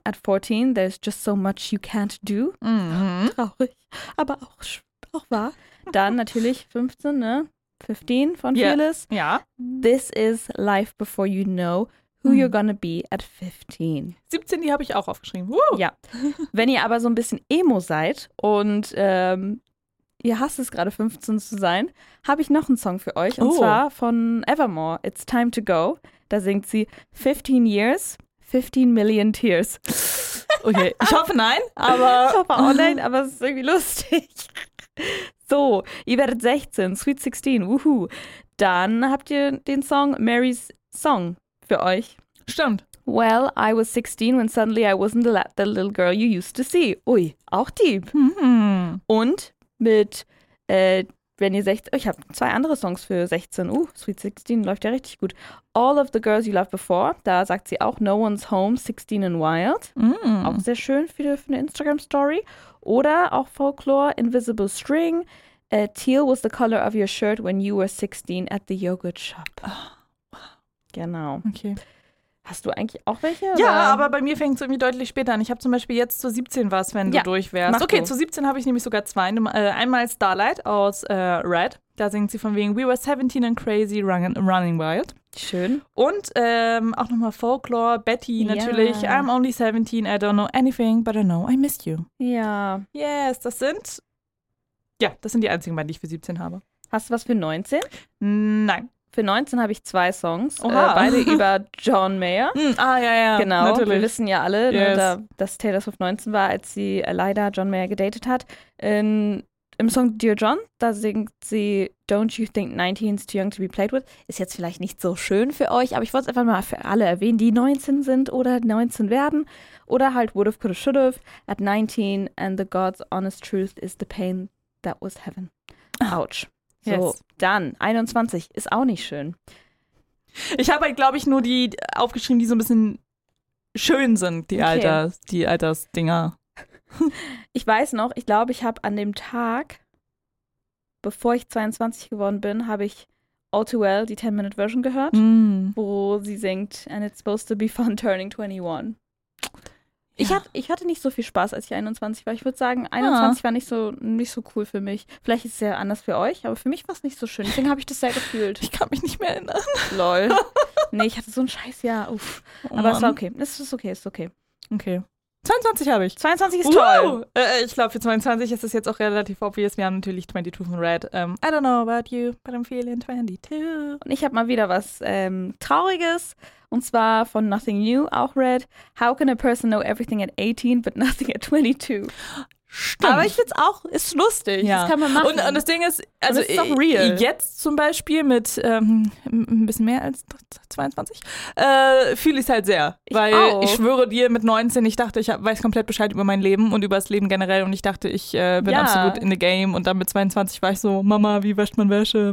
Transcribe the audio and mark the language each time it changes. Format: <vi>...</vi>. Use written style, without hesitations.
<en>At 14, there's just so much you can't do. Mm-hmm.</en> <de>Traurig, aber auch wahr. Dann natürlich 15, ne? 15 von Phyllis. Ja.</de> <en>This is life before you know who you're gonna be at 15.</en> <de>17, die habe ich auch aufgeschrieben. Woo! Ja. Wenn ihr aber so ein bisschen emo seid und ihr hasst es gerade, 15 zu sein, habe ich noch einen Song für euch. Und zwar von Evermore, It's Time to Go. Da singt sie</de> <en>15 years, 15 million tears.</en> <de>Okay, ich hoffe nein, aber... Ich hoffe auch nein, aber es ist irgendwie lustig. So, ihr werdet 16, Sweet 16, wuhu. Dann habt ihr den Song Mary's Song für euch. Stimmt.</de> <en>Well, I was 16 when suddenly I wasn't the little girl you used to see.</en> <de>Ui, auch deep. Und mit, wenn ihr 16, ich habe zwei andere Songs für 16. Sweet 16 läuft ja richtig gut. All of the Girls You Loved Before, da sagt sie auch</de> <en>No One's Home, 16 and Wild.</en> <de>Auch sehr schön für eine Instagram-Story. Oder auch Folklore, Invisible String.</de> <en>Teal was the color of your shirt when you were 16 at the yogurt shop. Oh.</en> <de>Genau. Okay. Hast du eigentlich auch welche? Ja, oder? Aber bei mir fängt es irgendwie deutlich später an. Ich habe zum Beispiel jetzt zur 17 was, wenn du durch wärst. Okay, zu 17 habe ich nämlich sogar zwei. Einmal Starlight aus Red. Da singt sie von wegen</de> <en>We were 17 and crazy running wild.</en> <de>Schön. Und auch nochmal Folklore, Betty natürlich.</de> <en>I'm only 17, I don't know anything, but I know I miss you.</en> <de>Ja. Yes, das sind die einzigen beiden, die ich für 17 habe. Hast du was für 19? Nein. Für 19 habe ich zwei Songs, beide über John Mayer. Genau, natürlich. Wir wissen ja alle, dass Taylor Swift 19 war, als sie leider John Mayer gedatet hat. Im Song Dear John, da singt sie</de> <en>Don't You Think 19's Too Young To Be Played With.</en> <de>Ist jetzt vielleicht nicht so schön für euch, aber ich wollte es einfach mal für alle erwähnen, die 19 sind oder 19 werden. Oder halt</de> <en>Would've, Could've, Should've at 19 and the God's Honest Truth is the Pain That Was Heaven.</en> <de>Ouch. So, dann 21 ist auch nicht schön. Ich habe halt, glaube ich, nur die aufgeschrieben, die so ein bisschen schön sind, die Altersdinger. Ich weiß noch, ich glaube, ich habe an dem Tag, bevor ich 22 geworden bin, habe ich All Too Well, die 10-Minute-Version gehört, wo sie singt,</de> <en>and it's supposed to be fun turning 21.</en> <de>Ich hatte nicht so viel Spaß, als ich 21 war. Ich würde sagen, 21 war nicht so cool für mich. Vielleicht ist es ja anders für euch, aber für mich war es nicht so schön. Deswegen habe ich das sehr gefühlt. Ich kann mich nicht mehr erinnern. Lol. Nee, ich hatte so ein scheiß Jahr. Uff. Oh, aber Mann. Es war okay. Es ist okay, es ist okay. Okay. 22 habe ich. 22 ist toll. Ich glaube, für 22 ist es jetzt auch relativ obvious. Wir haben natürlich 22 von Red.</de> <en>I don't know about you, but I'm feeling 22.</en> <de>Und ich habe mal wieder was Trauriges. Und zwar von Nothing New, auch Red.</de> <en>How can a person know everything at 18, but nothing at 22?</en> <de>Stimmt. Aber ich finde es auch, ist lustig. Ja. Das kann man machen. Und das Ding ist, also ist doch real. Jetzt zum Beispiel mit ein bisschen mehr als 22, fühle ich es halt sehr. Ich weil auch. Ich schwöre dir, mit 19, ich dachte, ich weiß komplett Bescheid über mein Leben und über das Leben generell. Und ich dachte, ich bin absolut</de> <en>in the game.</en> <de>Und dann mit 22 war ich so, Mama, wie wäscht man Wäsche?</de>